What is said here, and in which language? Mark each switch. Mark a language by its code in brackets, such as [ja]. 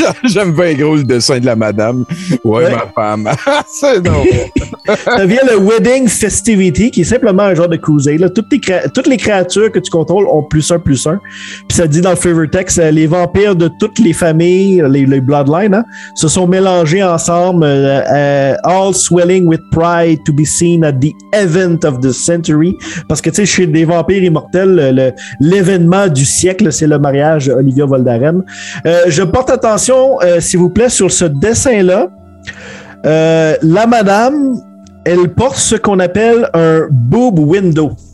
[fr] J'aime bien gros le dessin de la Madame. Ouais, ouais. Ma femme. C'est drôle. devient le Wedding Festivity, qui est simplement un genre de cruiser. Là, toutes les créatures que tu contrôles ont +1/+1. Puis ça dit dans le Flavor Text, les vampires de toutes les familles, les bloodlines, hein, se sont mélangés ensemble. [en] All swelling with pride to be seen at the event of the century. [fr] Parce que, tu sais, chez des vampires immortels, l'événement du siècle, c'est le mariage Olivia Voldaren. Je porte attention, s'il vous plaît, sur ce dessin-là. La madame, elle porte ce qu'on appelle un boob window.